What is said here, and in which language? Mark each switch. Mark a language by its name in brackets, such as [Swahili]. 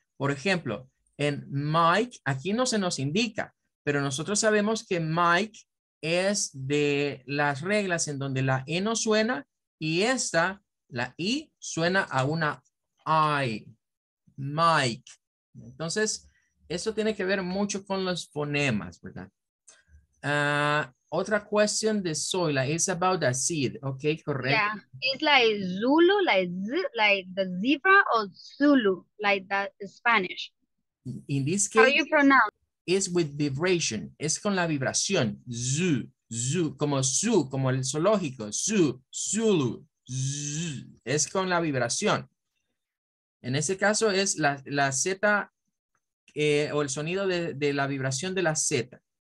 [Spanish] Por ejemplo, en Mike, aquí no se nos indica, pero nosotros sabemos que Mike es de las reglas en donde la E no suena y esta, la I, suena a una I. Mike. Entonces, eso tiene que ver mucho con los fonemas, ¿verdad? Otra cuestión de [English] Zoila is about the seed. Ok, [Spanish] correcto. [English] Yeah, it's like Zulu, like the zebra or Zulu, like that Spanish. In this case, how do you pronounce? Is with vibration, [Spanish] es con la vibración, zoo, zoo, como zoo, como el zoológico, zoo, zulu, zoo, es con la vibración. En ese caso es la Z o el sonido de la vibración de la Z.